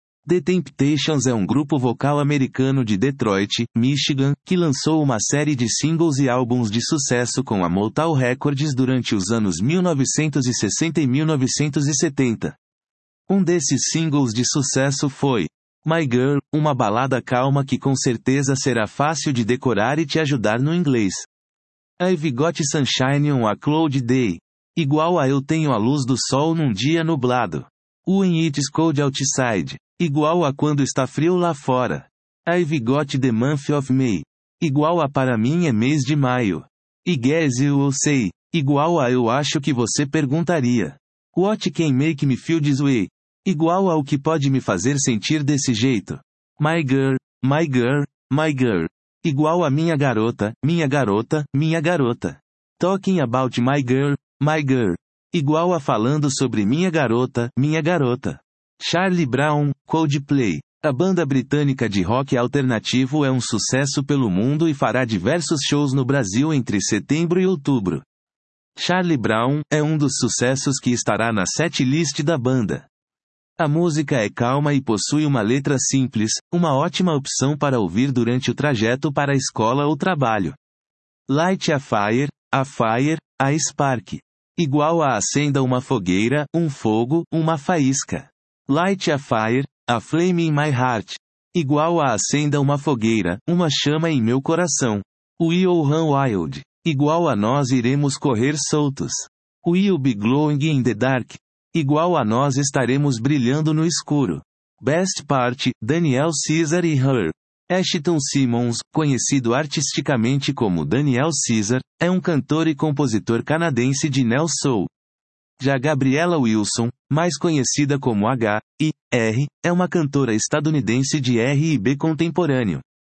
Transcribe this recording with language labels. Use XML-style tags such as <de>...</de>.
<pt>The Temptations é um grupo vocal americano de Detroit, Michigan, que lançou uma série de singles e álbuns de sucesso com a Motown Records durante os anos 1960 e 1970. Um desses singles de sucesso foi My Girl, uma balada calma que com certeza será fácil de decorar e te ajudar no inglês.</pt> <en>I've Got Sunshine on a Cloud Day.</en> <pt>Igual a eu tenho a luz do sol num dia nublado.</pt> <en>When it's cold outside.</en> <pt>Igual a quando está frio lá fora.</pt> <en>I've got the month of May.</en> <pt>Igual a para mim é mês de maio.</pt> <en>I guess you'll say.</en> <pt>Igual a eu acho que você perguntaria.</pt> <en>What can make me feel this way?</en> <pt>Igual a o que pode me fazer sentir desse jeito.</pt> <en>My girl, my girl, my girl.</en> <pt>Igual a minha garota, minha garota, minha garota.</pt> <en>Talking about my girl, my girl.</en> <pt>Igual a falando sobre minha garota, minha garota. Charlie Brown, Coldplay. A banda britânica de rock alternativo é um sucesso pelo mundo e fará diversos shows no Brasil entre setembro e outubro. Charlie Brown é um dos sucessos que estará na setlist da banda. A música é calma e possui uma letra simples, uma ótima opção para ouvir durante o trajeto para a escola ou trabalho.</pt> <en>Light a fire, a spark.</en> <pt>Igual a acenda uma fogueira, um fogo, uma faísca.</pt> <en>Light a flame in my heart.</en> <pt>Igual a acenda uma fogueira, uma chama em meu coração.</pt> <en>We'll run wild.</en> <pt>Igual a nós iremos correr soltos.</pt> <en>We'll be glowing in the dark.</en> <pt>Igual a nós estaremos brilhando no escuro. Best Part, Daniel Caesar e Her. Ashton Simmons, conhecido artisticamente como Daniel Caesar, é um cantor e compositor canadense de Neo Soul. Já Gabriela Wilson, mais conhecida como H.I.R., é uma cantora estadunidense de R&B contemporâneo.</pt>